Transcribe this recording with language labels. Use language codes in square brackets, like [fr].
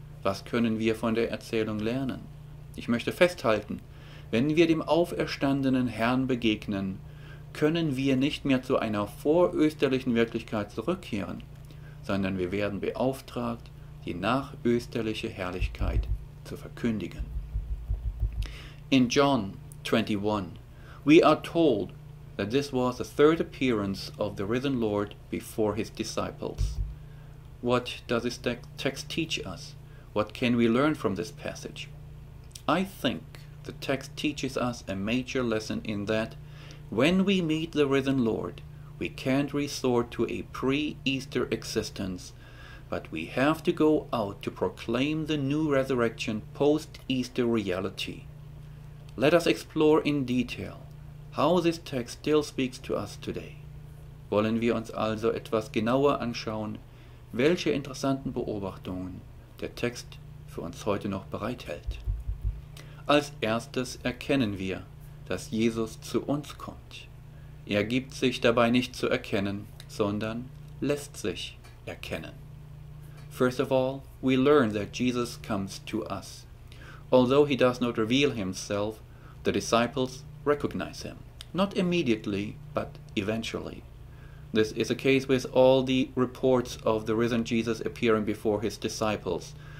[de] Was können wir von der Erzählung lernen? Ich möchte festhalten, wenn wir dem auferstandenen Herrn begegnen, können wir nicht mehr zu einer vorösterlichen Wirklichkeit zurückkehren, sondern wir werden beauftragt, die nachösterliche Herrlichkeit zu verkündigen. [en] In John 21, we are told that this was the third appearance of the risen Lord before his disciples. What does this text teach us? What can we learn from this passage? I think the text teaches us a major lesson in that when we meet the risen Lord, we can't resort to a pre-Easter existence, but we have to go out to proclaim the new resurrection post-Easter reality. Let us explore in detail how this text still speaks to us today. [de] Wollen wir uns also etwas genauer anschauen, welche interessanten Beobachtungen der Text für uns heute noch bereithält. Als erstes erkennen wir, dass Jesus zu uns kommt. Er gibt sich dabei nicht zu erkennen, sondern lässt sich erkennen. [en] First of all, we learn that Jesus comes to us. Although he does not reveal himself, the disciples recognize him. Not immediately, but eventually. This is the case with all the reports of the risen Jesus appearing before his disciples.